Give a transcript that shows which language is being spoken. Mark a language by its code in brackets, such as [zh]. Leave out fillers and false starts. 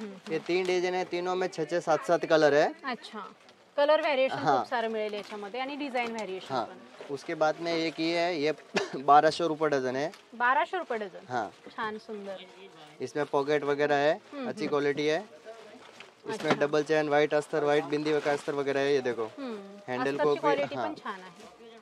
[hi] ये 3 डिजाइन है, तीनों में 6-6, 7-7 कलर है. अच्छा. [mr] कलर वेरिएशन खूप सारे मिळेल याच्यामध्ये आणि डिझाइन वेरिएशन. [hi] हां, उसके बाद में एक ये है, ये 1200 रुपये डझन है. 1200 रुपये डझन. हां, [mr] छान सुंदर. [hi] इसमें पॉकेट वगैरह है, अच्छी क्वालिटी है. इसमें डबल चैन, व्हाइट अस्तर, व्हाइट बिंदी वगैरह अस्तर वगैरह है. ये देखो हैंडल को भी. हां, छान है.